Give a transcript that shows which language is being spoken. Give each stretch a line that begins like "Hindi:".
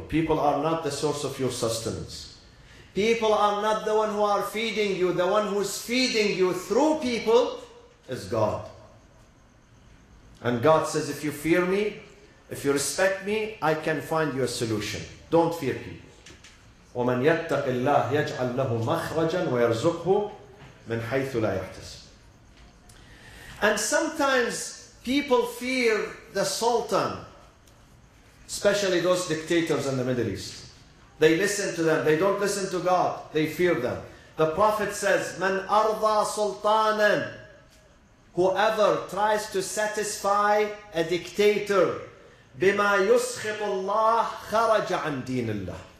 English: People are not the source of your sustenance. People are not the one who are feeding you. The one who is feeding you through people is God. And God says, if you fear me, if you respect me, I can find you a solution. Don't fear people.
Arabic: ومن يتق الله يجعل له مخرجا ويرزقه من حيث لا يحتسب.
English: And sometimes people fear the Sultan, especially those dictators in the Middle East. They listen to them. They don't listen to God. They fear them. The Prophet says,
Arabic: من أرضى سلطانا,
English: whoever tries to satisfy a dictator,
Arabic: بما يسخط الله خرج عن دين الله.